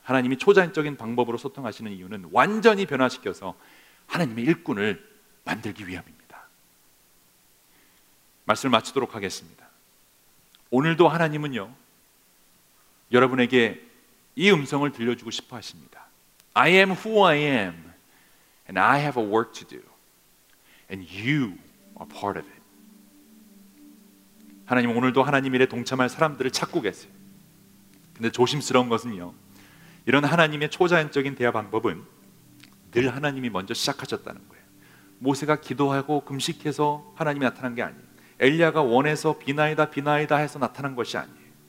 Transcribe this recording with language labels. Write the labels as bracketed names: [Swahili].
[Korean] 하나님이 초자연적인 방법으로 소통하시는 이유는 완전히 변화시켜서 하나님의 일꾼을 만들기 위함입니다. 말씀을 마치도록 하겠습니다. 오늘도 하나님은요, 여러분에게 이 음성을 들려주고 싶어 하십니다. [English] I am who I am, and I have a work to do, and you are part of it. [Korean] 하나님 오늘도 하나님 일에 동참할 사람들을 찾고 계세요. 근데 조심스러운 것은요, 이런 하나님의 초자연적인 대화 방법은 늘 하나님이 먼저 시작하셨다는 거예요. 모세가 기도하고 금식해서 하나님이 나타난 게 아니에요. 엘리야가 원해서 비나이다 비나이다 해서 나타난 것이 아니에요.